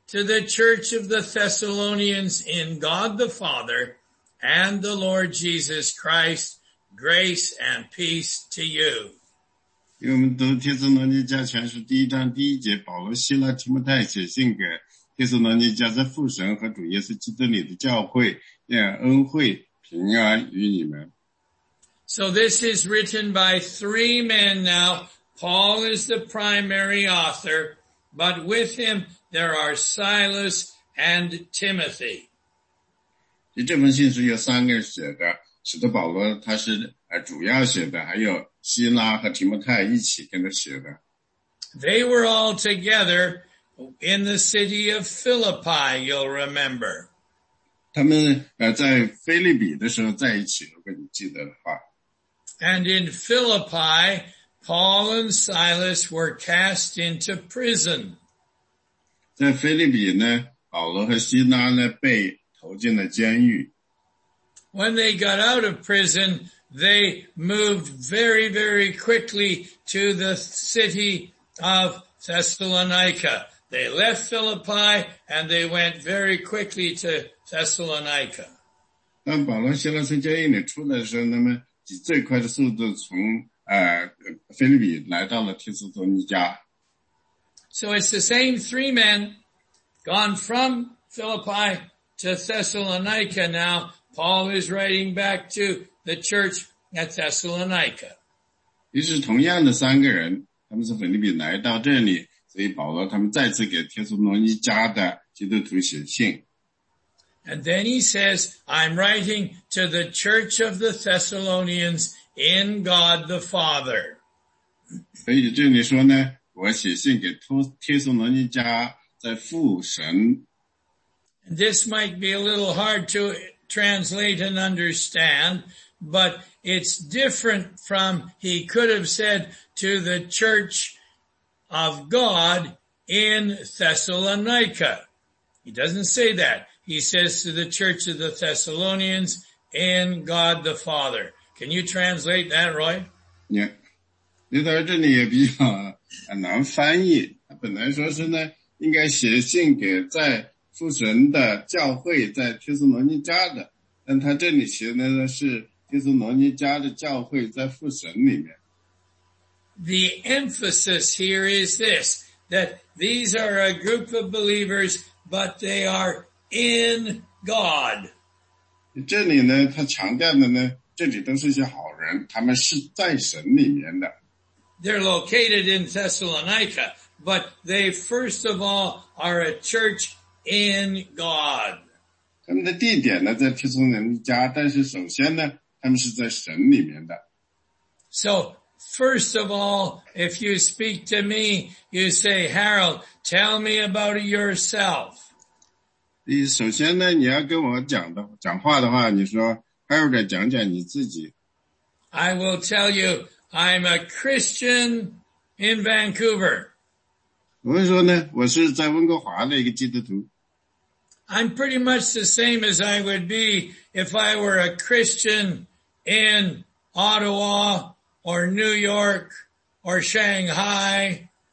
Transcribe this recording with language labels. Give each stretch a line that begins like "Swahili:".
English: to the Church of the Thessalonians in God the Father and the Lord Jesus Christ, grace and peace to you.
Chinese: 因为我们读《帖撒罗尼迦前书》第一章第一节，保罗、希拉、提摩太写信给帖撒罗尼迦在父神和主耶稣基督里的教会，愿恩惠平安与你们。
English: So this is written by three men now. Paul is the primary author, but with him there are Silas and Timothy.
Chinese: 这封信是由三个人写的，使得保罗他是主要写的，还有希拉和提摩太一起跟着写的。
English: They were all together in the city of Philippi, you'll remember.
Chinese: 他们在腓立比的时候在一起，如果你记得的话。
English: And in Philippi, Paul and Silas were cast into prison.
Chinese: 在腓立比呢，保罗和希拉呢被投进了监狱。
English: When they got out of prison, they moved very, very quickly to the city of Thessalonica. They left Philippi and they went very quickly to Thessalonica.
Chinese: 当保罗希拉从监狱里出来的时候，那么以最快的速度从腓立比来到了帖撒罗尼迦。
English: So it's the same three men gone from Philippi to Thessalonica. Now Paul is writing back to the church at Thessalonica.
Chinese: 于是同样的三个人，他们从腓立比来到这里，所以保罗他们再次给帖撒罗尼迦的基督徒写信。
English: And then he says, I'm writing to the Church of the Thessalonians in God the Father.
Chinese: 所以这里说呢，我写信给帖撒罗尼迦在父神。
English: And this might be a little hard to translate and understand, but it's different from he could have said to the Church of God in Thessalonica. He doesn't say that. He says to the Church of the Thessalonians in God the Father. Can you translate that, Roy? Yeah.
Chinese: 这段这里也比较难翻译。本来说是呢，应该写信给在父神的教会，在帖撒罗尼迦的。但他这里写的呢是帖撒罗尼迦的教会在父神里面。
English: The emphasis here is this, that these are a group of believers, but they areIn God.
Chinese: 这里呢，他强调的呢，这里都是些好人，他们是在神里面的。
English: They're located in Thessalonica, but they first of all are a church in God.
Chinese: 他们的地点呢，在帖撒罗尼迦，但是首先呢，他们是在神里面的。
English: So, first of all, if you speak to me, you say, Harold, tell me about yourself.
Chinese: 首先呢，你要跟我讲话的话，你说 Harold 讲讲你自己。
English: I will tell you, I'm a Christian in Vancouver.
Chinese: 我会说呢，我是在温哥华的一个基督徒。
English: I'm pretty much the same as I would be if I were a Christian in Ottawa or New York or Shanghai.